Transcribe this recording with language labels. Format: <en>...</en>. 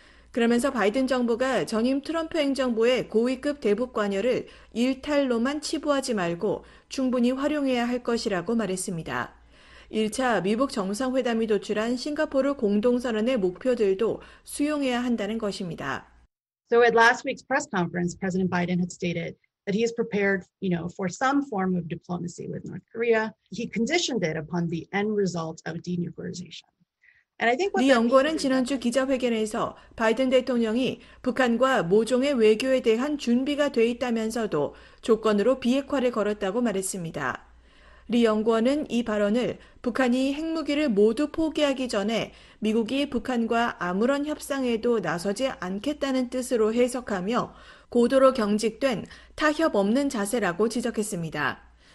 <ko>그러면서 바이든 정부가 전임 트럼프 행정부의 고위급 대북 관여를 일탈로만 치부하지 말고 충분히 활용해야 할 것이라고 말했습니다. 1차 미북 정상회담이 도출한 싱가포르 공동선언의 목표들도 수용해야 한다는 것입니다.</ko> <en>So at last week's press conference, President Biden had stated that he is prepared, you know, for some form of diplomacy with North Korea. He conditioned it upon the end result of denuclearization. And I think what</en> <ko>리 연구원은 지난주 기자회견에서 바이든 대통령이 북한과 모종의 외교에 대한 준비가 돼 있다면서도 조건으로 비핵화를 걸었다고 말했습니다. 리 연구원은 이 발언을 북한이 핵무기를 모두 포기하기 전에 미국이 북한과 아무런 협상에도 나서지 않겠다는 뜻으로 해석하며 고도로 경직된 타협 없는 자세라고 지적했습니다.</ko>